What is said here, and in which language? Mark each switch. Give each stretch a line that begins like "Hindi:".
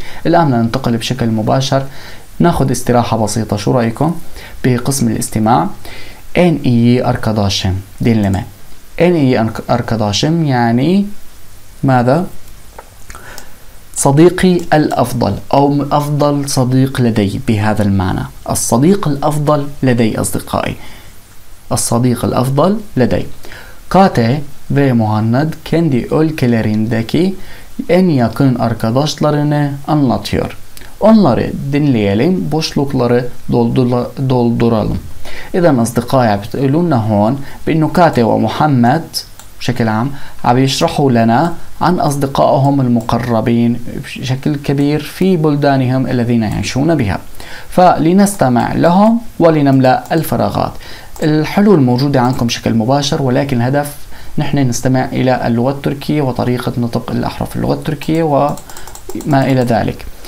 Arabic: الان ننتقل بشكل مباشر، ناخذ استراحه بسيطه، شو رايكم بقسم الاستماع؟
Turkish: ان اي اركاداشم دينلمه،
Arabic: ان اي اركاداشم يعني ماذا؟ صديقي الافضل، او افضل صديق لدي بهذا المعنى، الصديق الافضل لدي اصدقائي، الصديق الافضل لدي.
Turkish: كاتي ve مهند kendi ülkelerindeki en yakın arkadaşlarını anlatıyor. Onları dinleyelim, boşlukları dolduralım.
Arabic: إذا أصدقائي بتقولون هون بأنه كاتي ومحمد بشكل عام عم يشرحوا لنا عن أصدقائهم المقربين بشكل كبير في بلدانهم الذين يعيشون بها. فلنستمع لهم ولنملأ الفراغات. الحلول موجودة عندكم بشكل مباشر، ولكن الهدف نحن نستمع إلى اللغة التركية وطريقة نطق الأحرف اللغة التركية ما إلى ذلك.